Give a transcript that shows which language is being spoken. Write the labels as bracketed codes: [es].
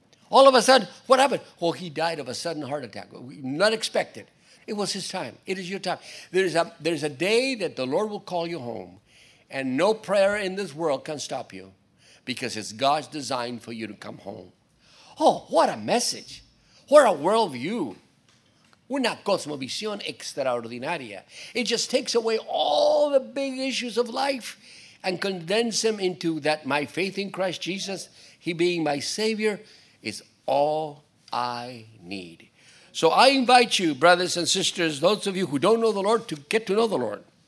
[en] All of a sudden, what happened? Well, he died of a sudden heart attack. Not expected. It was his time. It is your time. There's a day that the Lord will call you home, and no prayer in this world can stop you, because it's God's design for you to come home. Oh, what a message. What a worldview. [es] Una cosmovisión extraordinaria. [en] It just takes away all the big issues of life and condense them into that my faith in Christ Jesus, he being my Savior, is all I need. So I invite you, brothers and sisters, those of you who don't know the Lord, to get to know the Lord.